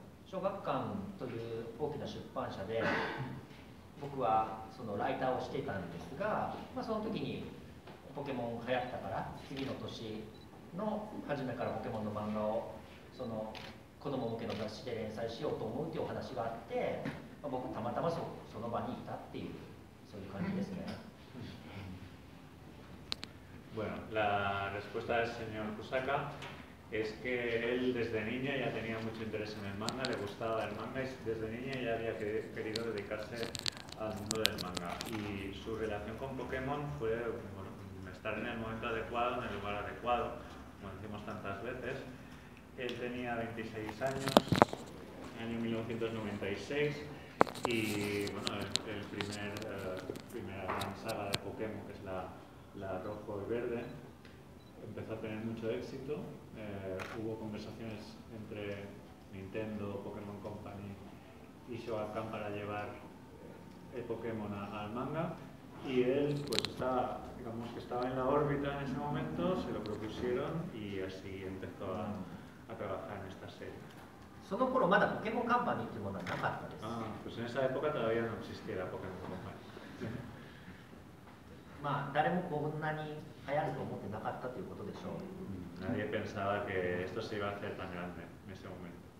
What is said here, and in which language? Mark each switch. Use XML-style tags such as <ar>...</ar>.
<ja>僕はこの物頃から、まあ、やっぱ漫画が好きでずっと漫画の仕事をしたいと思って過ごしてきましたね。で、ポケモンの漫画を描くことになったのは、たまたま、本当に巡り合わせといいますか、26歳の時に、ちょうど世の中は1996年で、最初のポケットモンスター赤緑っていうものが流行ったのですよ。小学館という大きな出版社で僕はそのライターをしていたんですが、その時にポケモン流行ったから次の年の初めからポケモンの漫画をその子供向けの雑誌で連載しようと思うというお話があって、まあ、僕たまたま その場にいたっていうそういう感じですね。</ja> <es>Bueno, la respuesta del señor Kusaka es que él desde niña ya tenía mucho interés en el manga, le gustaba el manga y desde niña ya había querido dedicarse al mundo del manga. Y su relación con Pokémon fue bueno, estar en el momento adecuado, en el lugar adecuado, como decimos tantas veces. Él tenía 26 años, año 1996, y bueno, el primera gran saga de Pokémon, que es la Rojo y Verde, empezó a tener mucho éxito. Hubo conversaciones entre Nintendo, Pokémon Company y Showa Khan para llevar el Pokémon al manga y él pues estaba, digamos que estaba en la órbita en ese momento, se lo propusieron y así empezó a trabajar en esta serie.</es> <ja>その頃まだ Pokémon Company というものはなかったです。</ja> <es>Pues en esa época todavía no existía Pokémon Company.</es> <ja>まあ誰もこんなに流行ると思ってなかったということでしょう。</ja> <es>Nadie pensaba que esto se iba a hacer tan grande en ese momento.</es>